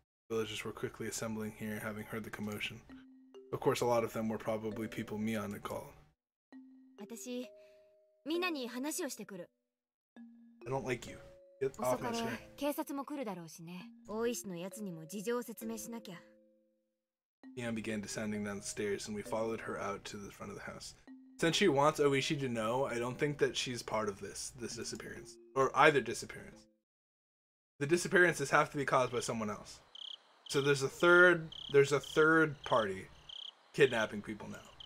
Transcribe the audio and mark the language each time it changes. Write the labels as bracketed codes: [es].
[en] Villagers were quickly assembling here, having heard the commotion. Of course, a lot of them were probably people Mian had called. [ja] 私、みんなに話をしてくる。 [en] I don't like you. Get off my chair. [ja] 遅から警察も来るだろうしね。大石のやつにも事情を説明しなきゃ。 [en] Mian began descending down the stairs, and we followed her out to the front of the house. Since she wants Oishi to know, I don't think that she's part of this disappearance, or either disappearance. The disappearances have to be caused by someone else. So there's a third party kidnapping people now.